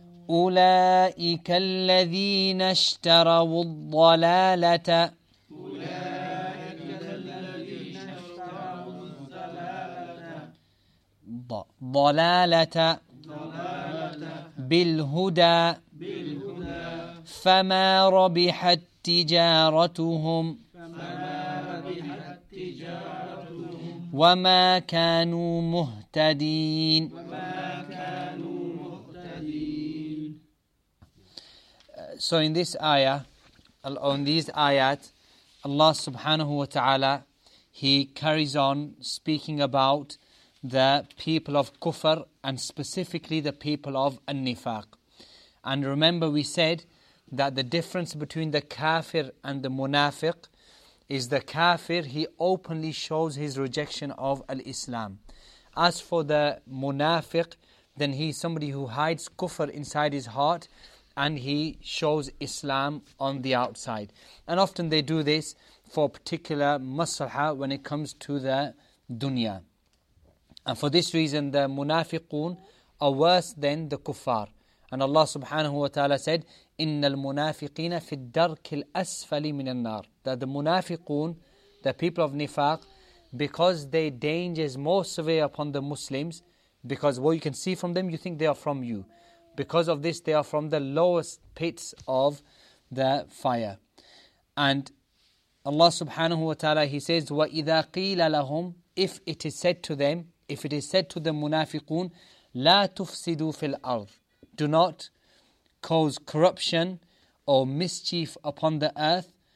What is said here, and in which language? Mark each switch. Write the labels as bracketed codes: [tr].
[ar] أولئك الذين اشتروا الضلالة ضلالة بالهدى فما ربحت تجارتهم وما كانوا مهتدين. [en] So in this ayah, on these ayat, Allah subhanahu wa ta'ala, He carries on speaking about the people of kufr and specifically the people of an-nifaq. And remember, we said that the difference between the kafir and the munafiq is the kafir, he openly shows his rejection of al-Islam. As for the munafiq, then he's somebody who hides kufr inside his heart and he shows Islam on the outside. And often they do this for particular maslaha when it comes to the dunya. And for this reason, the munafiqun are worse than the kuffar. [ar] And Allah subhanahu wa ta'ala said, إِنَّ الْمُنَافِقِينَ فِي الدَّرْكِ الْأَسْفَلِ مِنَ النَّارِ. [en] That the munafiqun, the people of nifaq, because their danger is more severe upon the Muslims, because what you can see from them, you think they are from you. Because of this, they are from the lowest pits of the fire. And Allah subhanahu wa ta'ala, He says, [ar] وَإِذَا قِيلَ لَهُمْ, [en] if it is said to them, if it is said to the munafiqun, [ar] لَا تُفْسِدُوا فِي الْأَرْضِ, [en] do not cause corruption or mischief upon the earth.